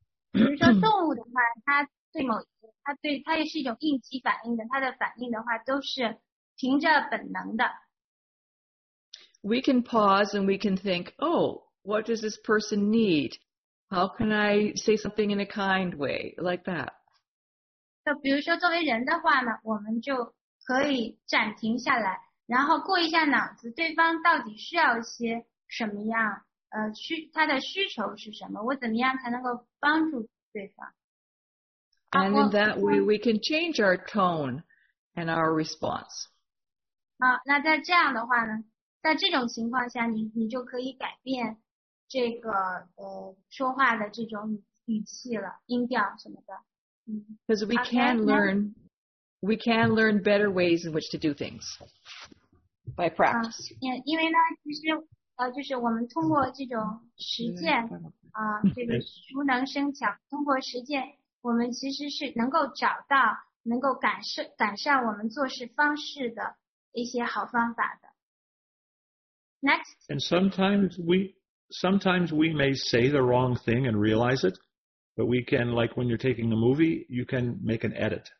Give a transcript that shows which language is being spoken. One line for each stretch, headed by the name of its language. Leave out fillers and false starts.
Chinese: 比如说动物的话，它对某它对它也是一种应激反应的，它的反应的话都是凭着本能的。
English: We can pause and we can think, oh, what does this person need? How can I say something in a kind way, like that?
Chinese: 就比如说作为人的话呢，我们就可以暂停下来，然后过一下脑子，对方到底需要些什么样，他的需求是什么，我怎么样才能够帮助对方。
English: And in that way, we can change our tone and our response.
Chinese: 好，那在这样的话呢，在这种情况下你就可以改变这个说话的这种语气了，音调什么的。
English: Because we can learn, we can learn better ways in which to do things by practice.
Chinese: 因为呢，其实就是我们通过这种实践啊，这个熟能生巧，通过实践，我们其实是能够找到能够改善我们做事方式的一些好方法的。
English: Next. And sometimes we may say the wrong thing and realize it. But we can, like when you're taking a movie, you can make an edit.